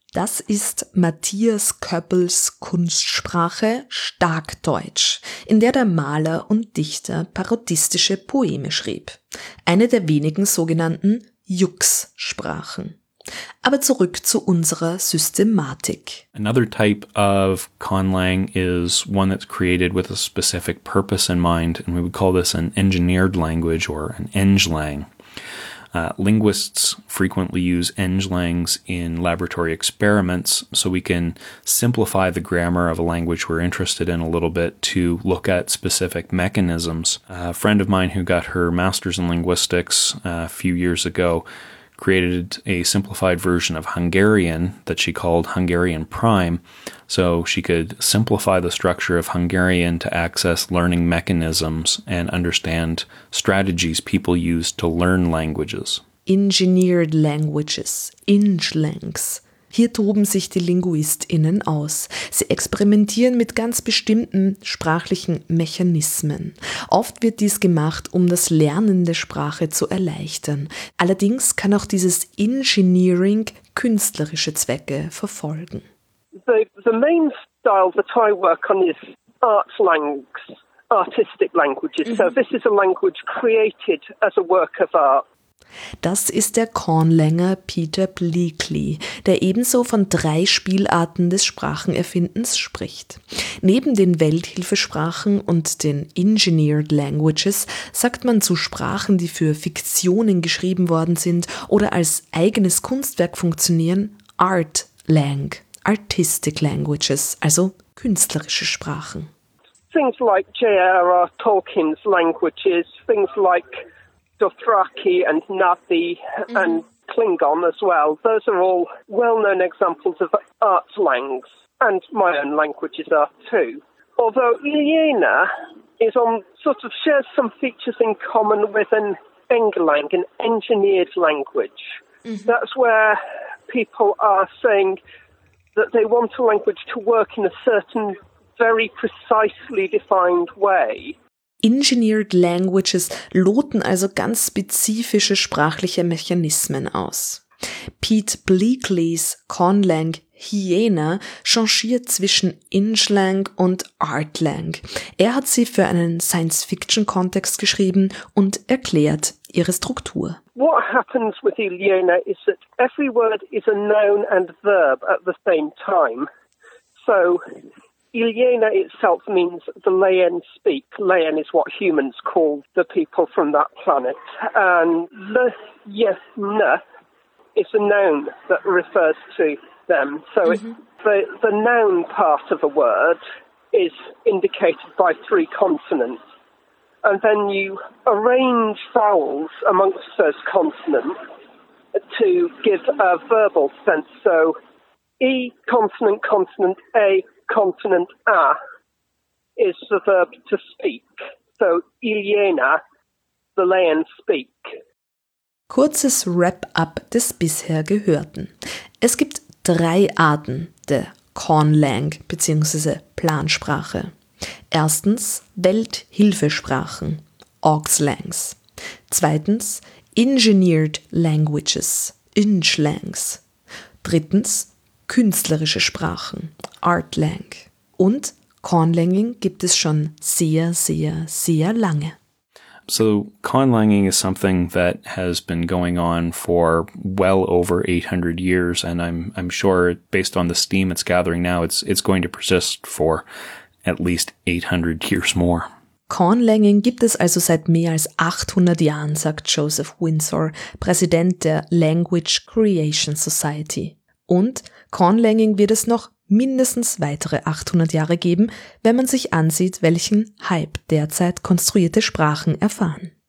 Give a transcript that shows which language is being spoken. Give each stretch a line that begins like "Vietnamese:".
German: Das ist Matthias Köppels Kunstsprache Starkdeutsch, in der der Maler und Dichter parodistische Poeme schrieb. Eine der wenigen sogenannten Jux-Sprachen. Aber zurück zu unserer Systematik.
English: Another type of conlang is one that's created with a specific purpose in mind, and we would call this an engineered language or an englang. Linguists frequently use englangs in laboratory experiments, so we can simplify the grammar of a language we're interested in a little bit to look at specific mechanisms. A friend of mine who got her master's in linguistics a few years ago created a simplified version of Hungarian that she called Hungarian Prime, so she could simplify the structure of Hungarian to access learning mechanisms and understand strategies people use to learn languages. Engineered languages, Inglangs.
German: Hier toben sich die LinguistInnen aus. Sie experimentieren mit ganz bestimmten sprachlichen Mechanismen. Oft wird dies gemacht, um das Lernen der Sprache zu erleichtern. Allerdings kann auch dieses Engineering künstlerische Zwecke verfolgen.
English: The main style that I work on is Artlangs, artistic languages. So this is a language created as a work of art.
German: Das ist der Kornlänger Peter Bleakley, der ebenso von drei Spielarten des Sprachenerfindens spricht. Neben den Welthilfesprachen und den Engineered Languages sagt man zu Sprachen, die für Fiktionen geschrieben worden sind oder als eigenes Kunstwerk funktionieren, Art Lang, Artistic Languages, also künstlerische Sprachen.
English: Things like J.R.R. Tolkien's Languages, things like Dothraki and Na'vi and Klingon as well. Those are all well-known examples of art langs, and my own languages are too. Although Iena is on sort of shares some features in common with an Englang, an engineered language. That's where people are saying that they want a language to work in a certain, very precisely defined way.
German: Engineered Languages loten also ganz spezifische sprachliche Mechanismen aus. Pete Bleakleys Conlang Hyena changiert zwischen Inchlang und Artlang. Er hat sie für einen Science-Fiction-Kontext geschrieben und erklärt ihre Struktur.
English: What happens with Hyena is that every word is a noun and verb at the same time. So Iliena itself means the Layen speak. Layen is what humans call the people from that planet. And the Yena is a noun that refers to them. So the noun part of a word is indicated by three consonants. And then you arrange vowels amongst those consonants to give a verbal sense. So E, consonant, consonant, A, consonant A is the verb to speak. So, Iliena, the Layen speak.
German: Kurzes Wrap-up des bisher Gehörten. Es gibt drei Arten der Conlang bzw. Plansprache. Erstens Welthilfesprachen, Auxlangs. Zweitens Engineered Languages, Inchlangs. Drittens künstlerische Sprachen, Artlang. Und Conlanging gibt es schon sehr, sehr, sehr lange.
English: So conlanging is something that has been going on for well over 800 years, and I'm sure based on the steam it's gathering now, it's going to persist for at least 800 years more.
German: Conlanging gibt es also seit mehr als 800 Jahren, sagt Joseph Windsor, Präsident der Language Creation Society. Und Conlanging wird es noch mindestens weitere 800 Jahre geben, wenn man sich ansieht, welchen Hype derzeit konstruierte Sprachen erfahren.